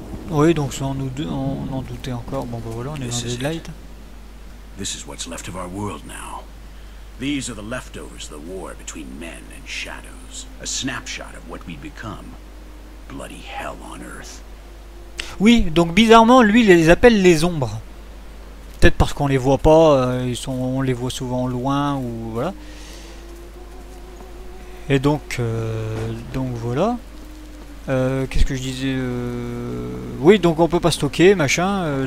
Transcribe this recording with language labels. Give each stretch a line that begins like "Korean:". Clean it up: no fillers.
French: Oui, donc sans nous deux, on en doutait encore. Bon, bah voilà, on est dans Deadlight.
English: This is what's left of our world now. These are the leftovers of the war between men and shadows. A snapshot of what we become. Bloody hell on earth.
French: Oui, donc bizarrement, lui, il les appelle les ombres. Peut-être parce qu'on les voit pas, ils sont, on les voit souvent loin ou voilà. Et donc voilà. Qu'est-ce que je disais Oui, donc on peut pas stocker, machin.